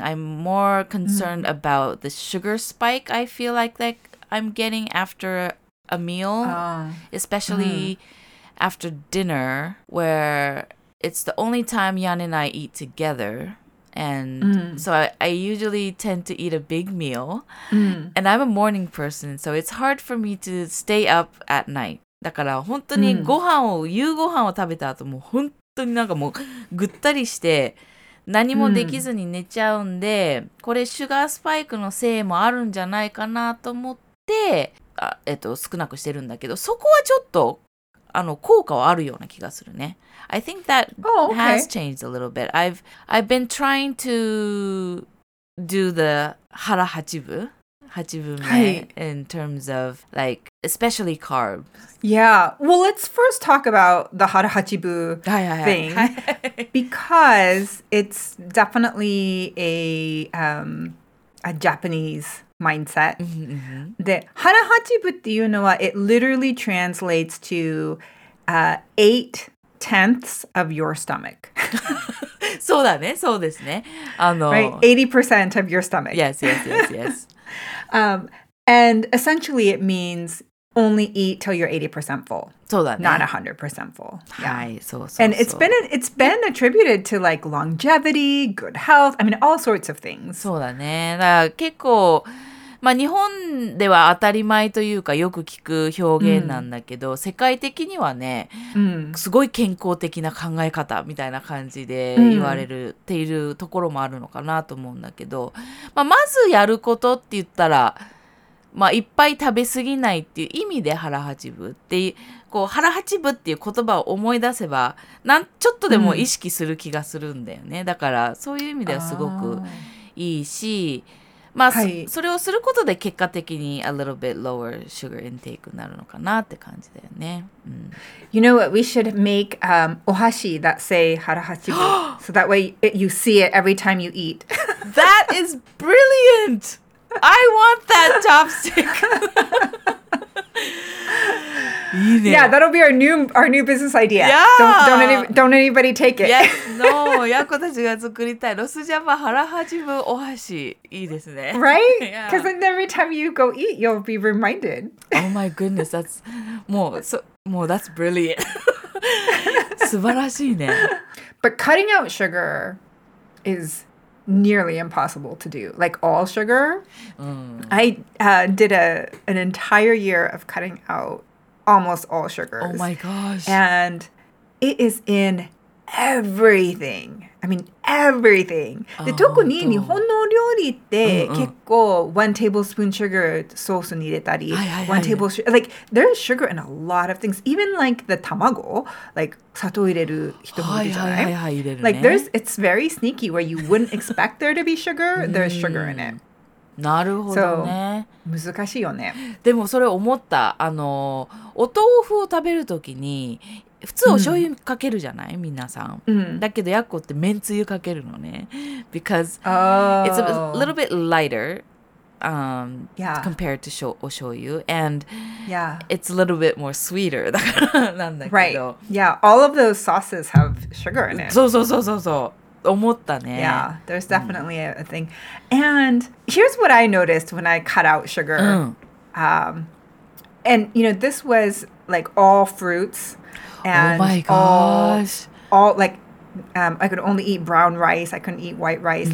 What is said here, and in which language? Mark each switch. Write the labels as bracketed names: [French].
[English] I'm more concerned、mm. about the sugar spike I feel like I'm getting after a meal,、especially、mm. after dinner, where it's the only time Yan and I eat together. And、mm. so I usually tend to eat a big meal.、 Mm. And I'm a morning person, so it's hard for me to stay up at night. [Japanese] だから本当にご飯を、mm. 夕ご飯を食べた後もう本当になんかもうぐったりして何もできずに寝ちゃうんで、mm. これシュガースパイクのせいもあるんじゃないかなと思って、少なくしてるんだけど、そこはちょっと効果はあるような気がするね。 [English] I think that、 oh, okay. has changed a little bit. I've been trying to do the hara hachibu, hachibu me in terms of like especially carbs. Yeah. Well, let's first talk about the hara hachibu thing because it's definitely a Japanese mindset. The hara hachibu [Japanese] っていうのは [English] it literally translates to 8 tenths of your stomach. [Japanese] そうだね、そうですね。 [English] Right? 80% of your stomach. Yes, yes, yes, yes. And essentially it means only eat till you're 80% full. [Japanese] そうだね。 [English] Not 100% full. [Japanese] Yeah. はい、そうそう。 [English] And it's been attributed to like longevity, good health, I mean all sorts of things. [Japanese] そうだね。だから結構、まあ日本では当たり前というかよく聞く表現なんだけど、世界的にはね、すごい健康的な考え方みたいな感じで言われるっているところもあるのかなと思うんだけど、まあまずやることって言ったら、まあ、いっぱい食べ過ぎないっていう意味で腹八分っていう、こう腹八分っていう言葉を思い出せばなんちょっとでも意識する気がするんだよね、うん、だからそういう意味ではすごくいいし、あまあ、はい、それをすることで結果的に [English] a little bit lower sugar intake [Japanese] になるのかなって感じだよね、うん、 [English] You know what? We should make お箸 that say 腹八分so that way you see it every time you eat. That is brilliantI want that chopstick. Yeah, that'll be our new business idea. Yeah. Don't anybody take it. Yes. No. [Japanese] Yako たちが作りたいロスジャパン腹八分お箸いいですね。 [English] Right? Because then every time you go eat, you'll be reminded. Oh my goodness, that's more that's brilliant. [Japanese] 素晴らしいね。 [English] But cutting out sugar is. Nearly impossible to do, like all sugar. I did an entire year of cutting out almost all sugars. Oh my gosh. And it is in everything. I mean, everything. [Japanese] で、特に日本の料理って結構 [English] one tablespoon sugar [Japanese] ソースに入れたり、 [English] one tablespoon, like there's sugar in a lot of things. Even like the [Japanese] 卵, like 砂糖入れる人もいるじゃない? はいはいはい、入れるね。 [English] Like there's, it's very sneaky where you wouldn't expect there to be sugar, there's sugar in it. [Japanese] なるほどね。 So, 難しいよね。でもそれ思った。お豆腐を食べるときに普通お醤油かけるじゃない、うん、皆さん、うん、だけどヤッコってめんつゆかけるのね [English] because、 oh. it's a little bit lighter、yeah. compared to お醤油 and、 yeah. it's a little bit more sweeter [Japanese] だからなんだけど、 [English] right. yeah all of those sauces have sugar in it [Japanese] そうそうそうそうそう思ったね [English] yeah there's definitely、うん、a thing and here's what I noticed when I cut out sugar、 [Japanese] うん、 [English] and you know this was like all fruitsAnd oh my gosh. I could only eat brown rice. I couldn't eat white rice.